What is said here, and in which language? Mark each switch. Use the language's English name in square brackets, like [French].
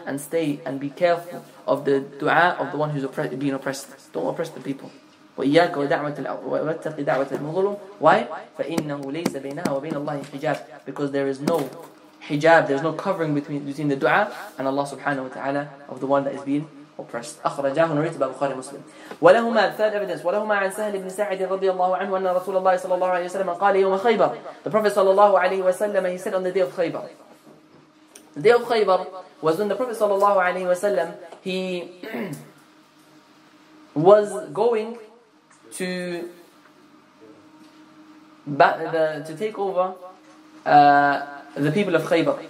[English] And stay and be careful of the dua of the one who's being oppressed. Don't oppress the people. وَإِيَّاكَ وَاتَّقِ دَعْوَةَ الْمَظْلُومِ. Why? [Arabic] فَإِنَّهُ لَيْسَ بَيْنَهَا وَبَيْنَ اللَّهِ حِجَابٍ. [English] Because there is no hijab, there's no covering between the dua and Allah subhanahu wa ta'ala of the one that is being oppressed. [Arabic] أخرجاه نريته بخاري مسلم. [English] ولهما third evidence. [Arabic] ولهما عن سهل بن سعد رضي الله عنه أن رسول الله صلى الله عليه وسلم قال يوم خيبر. [English] The Prophet صلى الله عليه وسلم, he said on the day of Khaybar. The day of Khaybar was when the Prophet صلى الله عليه وسلم, he was going to take over the people of Khaybar.